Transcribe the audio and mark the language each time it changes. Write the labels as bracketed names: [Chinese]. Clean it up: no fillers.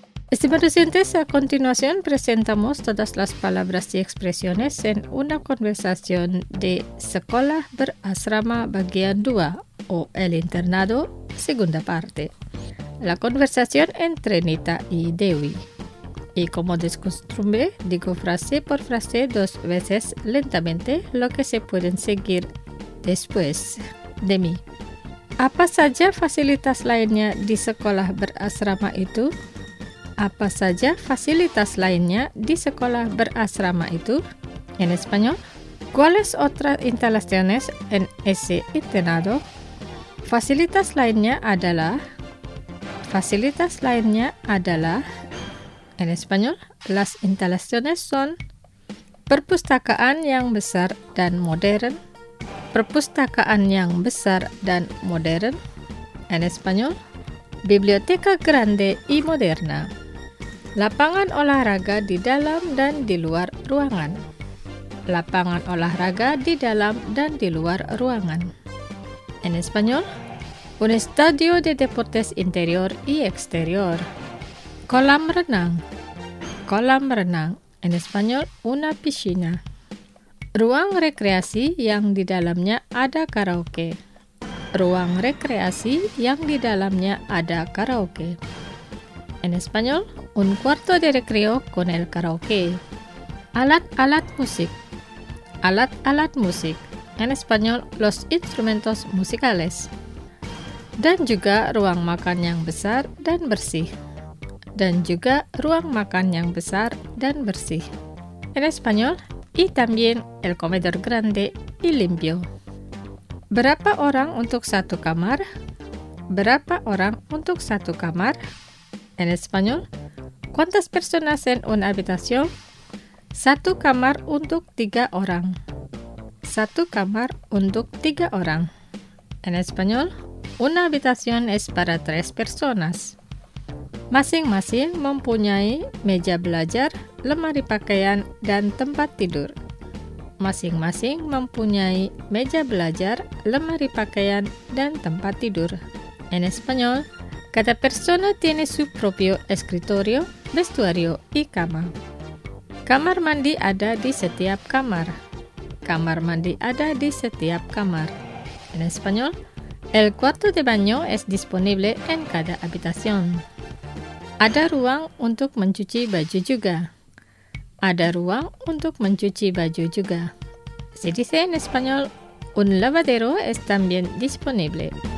[Spanish] Estimados oyentes, a continuación presentamos todas las palabras y expresiones en una conversación de Sekolah Berasrama Bagian 2 o El Internado, segunda parte. La conversación entre Nita y Dewi. Y como de costumbre, digo frase por frase dos veces lentamente lo que se pueden seguir después de mí. [Indonesian] ¿Apa saja fasilitas lainnya di Sekolah Berasrama itu? Apa saja fasilitas lainnya di sekolah berasrama itu? [Spanish] En español, ¿cuáles otras instalaciones en ese internado? [Indonesian] Fasilitas lainnya adalah. Fasilitas lainnya adalah. [Spanish] En español, las instalaciones son. [Indonesian] Perpustakaan yang besar dan modern. Perpustakaan yang besar dan modern. [Spanish] En español, biblioteca grande y moderna. [Indonesian] Lapangan olahraga di dalam dan di luar ruangan. Lapangan olahraga di dalam dan di luar ruangan. [Spanish] En español, un estadio de deportes interior y exterior. [Indonesian] Kolam renang. Kolam renang. [Spanish] En español, una piscina. [Indonesian] Ruang rekreasi yang di dalamnya ada karaoke. Ruang rekreasi yang di dalamnya ada karaoke. [Spanish] En español, un cuarto de recreo con el karaoke. [Indonesian] Alat-alat musik. Alat-alat musik. [Spanish] en español los instrumentos musicales. [Indonesian] Dan juga ruang makan yang besar dan bersih. Dan juga ruang makan yang besar dan bersih. [Spanish] En español, y también el comedor grande y limpio. [Indonesian] Berapa orang untuk satu kamar? Berapa orang untuk satu kamar? [Spanish] En español, ¿cuántas personas en una habitación? [Indonesian] Satu kamar untuk tiga orang. Satu kamar untuk tiga orang. [Spanish] En español, una habitación es para tres personas. [Indonesian] Masing-masing mempunyai meja belajar, lemari pakaian, dan tempat tidur. Masing-masing mempunyai meja belajar, lemari pakaian, dan tempat tidur. [Spanish] En español, cada persona tiene su propio escritorio, vestuario, y cama. [Indonesian] Kamar mandi ada di setiap kamar. Kamar mandi ada di setiap kamar. [Spanish] En español, el cuarto de baño es disponible en cada habitación. [Indonesian] Ada ruang untuk mencuci baju juga. Ada ruang untuk mencuci baju juga. [Spanish] Se dice en español, un lavadero es también disponible.